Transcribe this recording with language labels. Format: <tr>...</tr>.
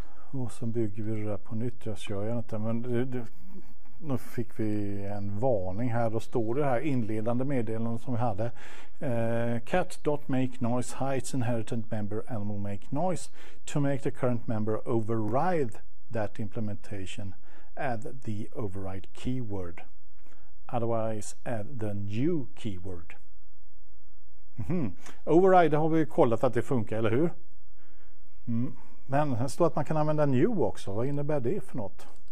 <sv>Och sen bygger vi det där på nytt. Jag kör ju inte, men nu fick vi en varning här. Då står det här inledande meddelandet som vi hade.</sv> <en>Cat.makeNoise hides inheritant member animal make noise. To make the current member override that implementation, add the override keyword. Otherwise, add the new keyword. Mm-hmm.</en> <sv>Override har vi kollat att det funkar, eller hur? Mm. Men det står att man kan använda new också. Vad innebär det för något?</sv>